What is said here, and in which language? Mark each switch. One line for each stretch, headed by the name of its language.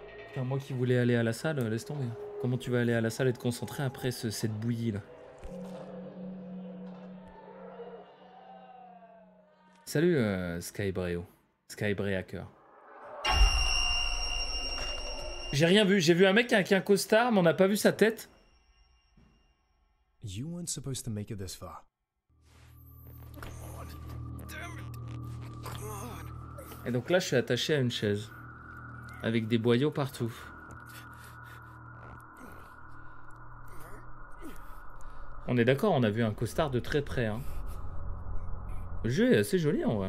French: Enfin, moi qui voulais aller à la salle, laisse tomber. Comment tu vas aller à la salle et te concentrer après cette bouillie là? Salut Skybreo. Skybreaker. J'ai rien vu. J'ai vu un mec avec un costard, mais on n'a pas vu sa tête.
English: You weren't supposed to make it this far. Come on. Damn it. Come on.
French: Et donc là, je suis attaché à une chaise. Avec des boyaux partout. On est d'accord, on a vu un costard de très près. Hein. Le jeu est assez joli en vrai.